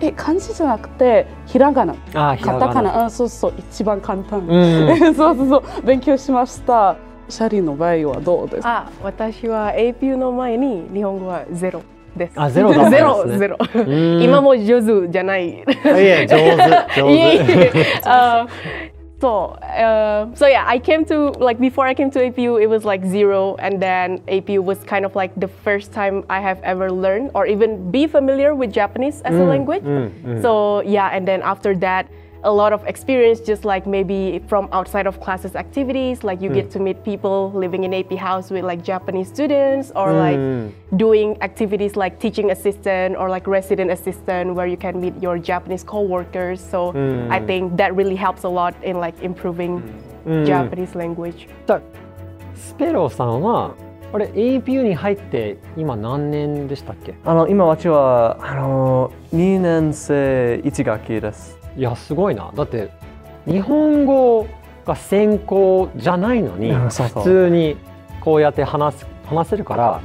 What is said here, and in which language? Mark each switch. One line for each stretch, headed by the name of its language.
Japanese: え、漢字じゃなくてひらがな、あ、ひらがな、カタカナ、あ、そうそう、一番簡単、うん、そうそうそう、勉強しました。シャリの場合はどうですか？あ、私は APU の前に日本語はゼロです。あ、ゼロだったんですね。ゼロ、ゼロ、うん、今も上手じゃない。いや、上手、上手。いやそう、
English: so yeah, I came to, like, before I came to APU, it was like zero, and then APU was kind of like the first time I have ever learned or even be familiar with Japanese as a language. So yeah, and then after that, a lot of experience, just like maybe from outside of classes activities, like you get to meet people living in AP house with like Japanese students or like doing activities like teaching assistant or like resident assistant where you can meet your Japanese co-workers. So I think that really helps a lot in like improving Japanese language. So, Spero-san wa...
Japanese: あれ、APU に入って今何年でしたっけ？あの、今私はあの2年生1学期です。いや、すごいな。だって日本語が専攻じゃないのに、うん、そうそう、普通にこうやって話せるから、